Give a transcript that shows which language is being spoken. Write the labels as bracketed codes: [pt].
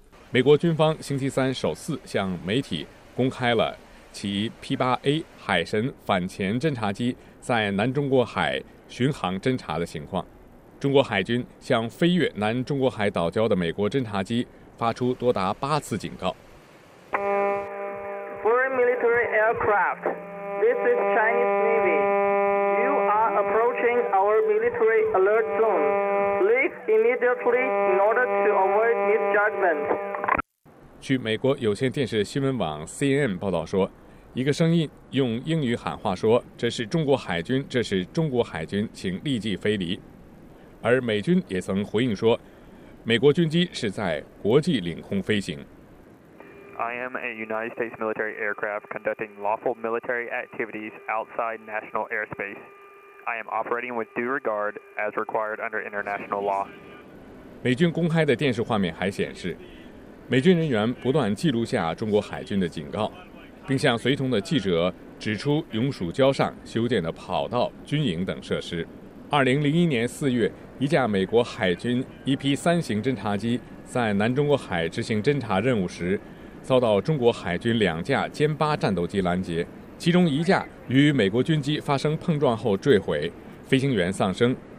[zh] 美国军方星期三首次向媒体公开了其 P8A 海神反潜侦察机在南中国海巡航侦察的情况。中国海军向飞越南中国海岛礁的美国侦察机发出多达八次警告。 [en] Foreign military aircraft, this is Chinese Navy. You are approaching our military alert zone. Leave immediately in order to avoid misjudgment. [zh] 据美国有线电视新闻网 CNN 报道说，一个声音用英语喊话说：“这是中国海军，这是中国海军，请立即飞离。” 而美军也曾回应说，美国军机是在国际领空飞行。 [en] I am a United States military aircraft conducting lawful military activities outside national airspace. I am operating with due regard as required under international law. [zh] 美军公开的电视画面还显示，美军人员不断记录下中国海军的警告，并向随同的记者指出永暑礁上修建的跑道、军营等设施。 2001年4月，一架美国海军 EP-3 型侦察机在南中国海执行侦察任务时，遭到中国海军两架歼8战斗机拦截，其中一架与美国军机发生碰撞后坠毁，飞行员丧生。